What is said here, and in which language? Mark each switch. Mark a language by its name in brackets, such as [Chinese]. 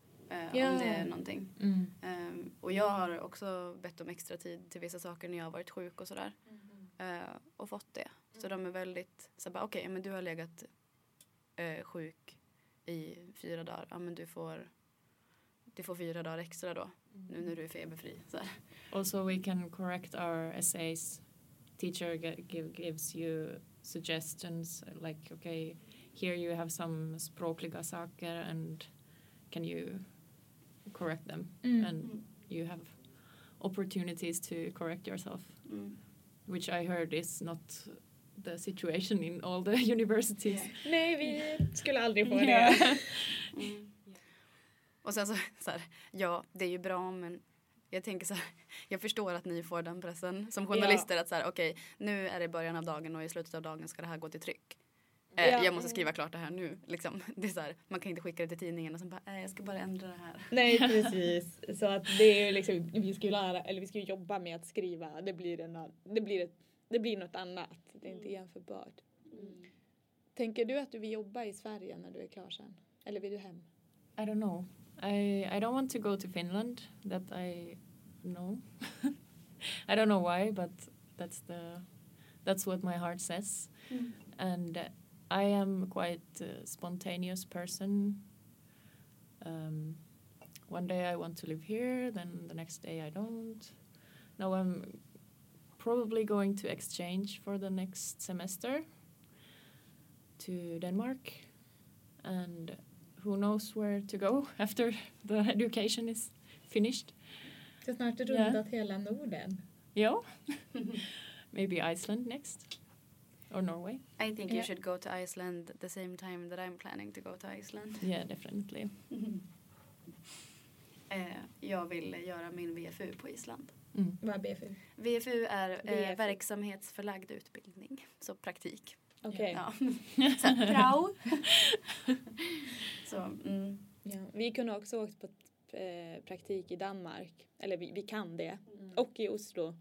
[Swedish] Om det är någonting. Och jag har också bett om extra tid till vissa saker när jag har varit sjuk och sådär. Och fått det. Så de är väldigt så bara, okej, men du har legat sjuk i 4 dagar. Ja, men du får 4 dagar extra då. Nu när du är feberfri. Så. [English] Also we can correct our essays. Teacher gives you suggestions. Like, okay, here you have some [Swedish] språkliga saker. [English] And can you correct them? And you have opportunities to correct yourself. Which I heard is not the situation in all the universities. [Swedish] Nej, vi skulle aldrig få det. Och sen så här, ja, det är ju bra, men jag tänker så här, jag förstår att ni får den pressen som journalister, att så här, okej, nu är det början av dagen och i slutet av dagen ska det här gå till tryck. Jag måste skriva klart det här nu, liksom. Det är så här, man kan inte skicka det till tidningen och sen bara, jag ska bara ändra det här. Nej, precis. Så att det är ju liksom, vi ska ju jobba med att skriva, det blir något annat, det är inte jämförbart. Tänker du att du vill jobba i Sverige när du är klar sen? Eller vill du hem? [English] I don't know. I don't want to go to Finland, that I know. I don't know why, but that's what my heart says. And I am quite a spontaneous person. One day I want to live here, then the next day I don't. Now I'm probably going to exchange for the next semester to Denmark. and who knows where to go after the education is finished. [Swedish] Det är snart rundat hela Norden. [English] Ja. Maybe Iceland next. Or Norway. I think you should go to Iceland the same time that I'm planning to go to Iceland. Yeah, definitely. [Swedish] Jag vill göra min VFU på Island. Mm. Vad är BFU? VFU är VFU. Verksamhetsförlagd utbildning. Så praktik. Okej. Okay. Ja. Så prao. Så, ja. Vi kunde också åkt på praktik i Danmark. Eller vi kan det. Mm. Och i Oslo.